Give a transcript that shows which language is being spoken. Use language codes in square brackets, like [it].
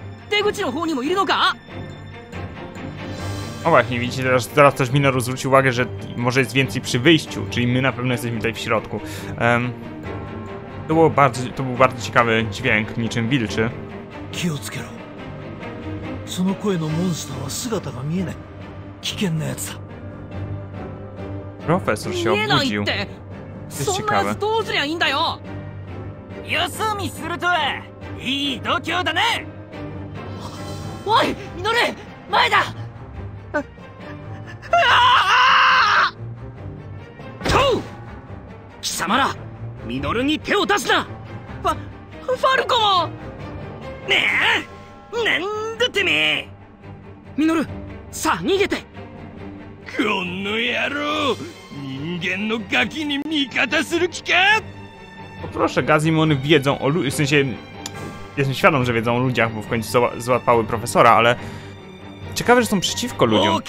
[ja] じゃあこいつをとっ捕まえて。とりあえず動けないよ。痛めつけとくか。おい。こいつらじりじりと近づいてくるぞ。なんだ?出口の方にもいるのか? [pl] O właśnie, widzicie, teraz też Minoru zwrócił uwagę, że może jest więcej przy wyjściu, czyli my na pewno jesteśmy tutaj w środku. To był bardzo ciekawy dźwięk, niczym wilczy. [ja] Kiyotsukero. その声のモンスターは姿が見えない。危険なやつだ。 [pl] Profesor się obudził. [ja] そんなやつどうすりゃいいんだよ! 休みするとはいい度胸だね! おい!Minoru! 前だ! トウ!貴様ら! Minoruに手を出すな! ファルコ! ねえ!なんだてめえ! Minoru, さ, 逃げて! この野郎! 人間のガキに味方する気か? [pl] O proszę, Gazimony wiedzą o ludziach, w sensie... Jestem świadom, że wiedzą o ludziach, bo w końcu złapały profesora, ale... Ciekawe, że są przeciwko ludziom.